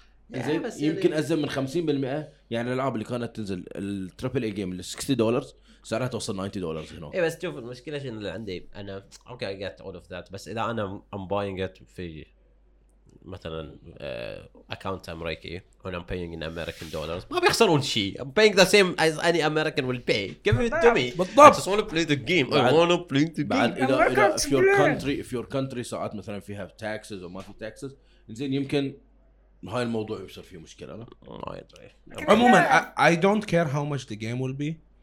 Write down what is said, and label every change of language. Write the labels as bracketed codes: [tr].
[ar] يعني يمكن أزم من 50% يعني الألعاب اللي كانت تنزل التريبل اي جيم اللي $60 سعرها توصل $90 هناك. إيه بس شوف المشكلة شين اللي عندي أنا أوكي [en] I get all of that [ar] بس إذا أنا [en] I'm buying it [ar] في مثلاً account أمريكي [en] and I'm paying in American dollars [ar] ما بيخسرون شيء. [en] I'm paying the same as any American will pay. Give it to me. [ar] بالضبط. [en] I just want to play the game. I want to play the game. [ar] بعد إذا إذا في [en] your country if your country [ar] ساعات مثلاً فيها taxes أو ما في taxes إنزين يمكن هاي الموضوع يصير فيه مشكلة لا. عموماً [en] I don't care how much the game will be.